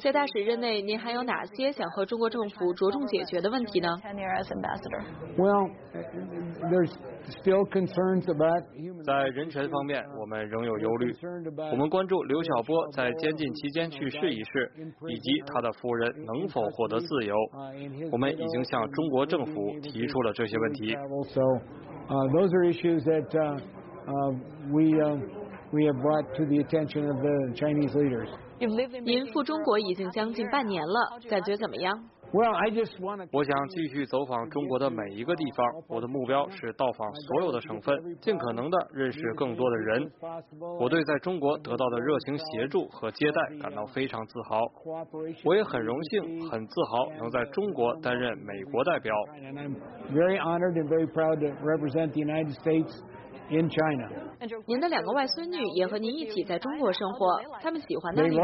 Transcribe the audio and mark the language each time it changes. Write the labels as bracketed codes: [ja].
[zh] 在大使任内，您还有哪些想和中国政府着重解决的问题呢 [en] ？Tenure as ambassador. Well, there's still concerns about. [zh] 在人权方面，我们仍有忧虑。我们关注刘晓波在监禁期间去世一事，以及他的夫人能否获得自由。我们已经向中国政府提出了这些问题。 [en] So, those are issues that we have brought to the attention of the Chinese leaders. [zh] 您赴中国已经将近半年了，感觉怎么样？ [en] Well, I just want to. [zh] 我想继续走访中国的每一个地方。我的目标是到访所有的省份，尽可能的认识更多的人。我对在中国得到的热情协助和接待感到非常自豪。我也很荣幸、很自豪能在中国担任美国代表。 [en] I'm very honored and very proud to represent the United States in China. [zh] 您的两个外孙女也和您一起在中国生活，他们喜欢那里吗？